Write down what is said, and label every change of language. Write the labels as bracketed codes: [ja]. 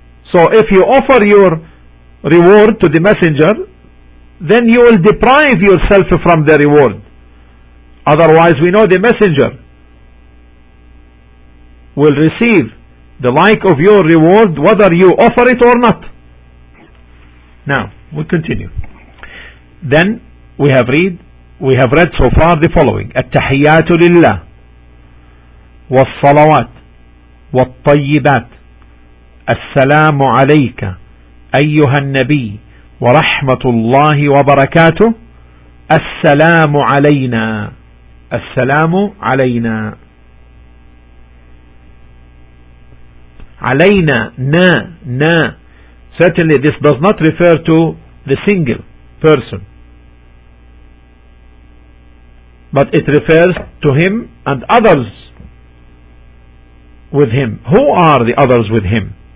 [en] So if you offer your reward to the Messenger, then you will deprive yourself from the reward. Otherwise, we know the Messenger will receive the like of your reward whether you offer it or not. Now we continue. Then we have read so far the following: [ar] التحيات لله والصلوات والطيبات السلام عليك أيها النبي ورحمة الله وبركاته السلام علينا السلام علينا علينا نا نا. [en] Certainly this does not refer to the single person, but it refers to him and others with him. Who are the others with him?